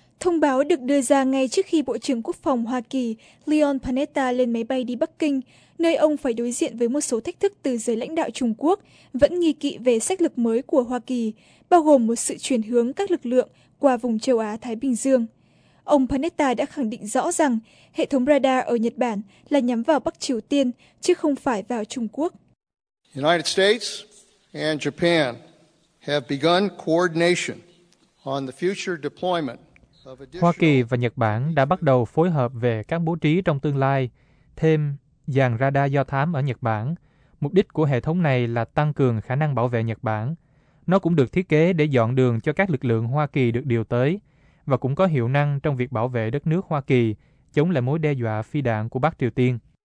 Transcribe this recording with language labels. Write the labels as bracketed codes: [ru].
[vi] Thông báo được đưa ra ngay trước khi Bộ trưởng Quốc phòng Hoa Kỳ Leon Panetta lên máy bay đi Bắc Kinh, nơi ông phải đối diện với một số thách thức từ giới lãnh đạo Trung Quốc vẫn nghi kỵ về sách lược mới của Hoa Kỳ, bao gồm một sự chuyển hướng các lực lượng qua vùng châu Á-Thái Bình Dương. Ông Panetta đã khẳng định rõ rằng hệ thống radar ở Nhật Bản là nhắm vào Bắc Triều Tiên, chứ không phải vào Trung Quốc. [en] United States and Japan have begun coordination on the future deployment. [vi] Hoa Kỳ và Nhật Bản đã bắt đầu phối hợp về các bố trí trong tương lai, thêm dàn radar do thám ở Nhật Bản. Mục đích của hệ thống này là tăng cường khả năng bảo vệ Nhật Bản. Nó cũng được thiết kế để dọn đường cho các lực lượng Hoa Kỳ được điều tới và cũng có hiệu năng trong việc bảo vệ đất nước Hoa Kỳ chống lại mối đe dọa phi đạn của Bắc Triều Tiên.